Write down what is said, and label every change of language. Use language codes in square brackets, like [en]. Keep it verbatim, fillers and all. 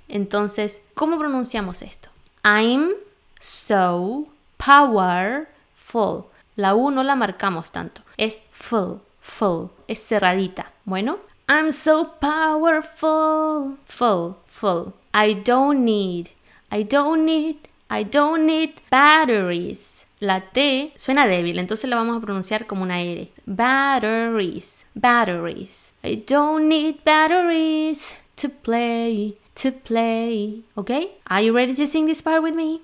[es] Entonces, ¿cómo pronunciamos esto? [en] I'm so powerful. [es] La U no la marcamos tanto. Es full, full. Es cerradita. Bueno, [en] I'm so powerful. Full, full. I don't need, I don't need, I don't need batteries. [es] La T suena débil, entonces la vamos a pronunciar como una R. [en] Batteries, batteries. I don't need batteries to play, to play. Okay? Are you ready to sing this part with me?